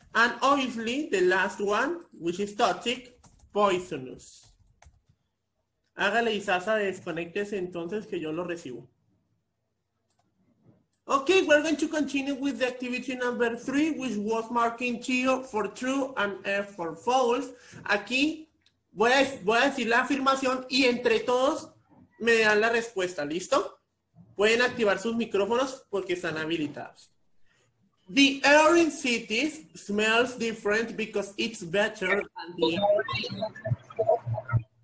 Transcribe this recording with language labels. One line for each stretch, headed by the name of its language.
English: And obviously the last one, which is toxic, poisonous.
Spanish: Hágale Isasa, desconectese entonces que yo lo recibo.
English: Okay, we're going to continue with the activity number 3, which was marking T for true and F for false.
Spanish: Aquí voy a decir la afirmación y entre todos me dan la respuesta, ¿listo? Pueden activar sus micrófonos porque están habilitados.
English: The air in cities smells different because it's better than the air.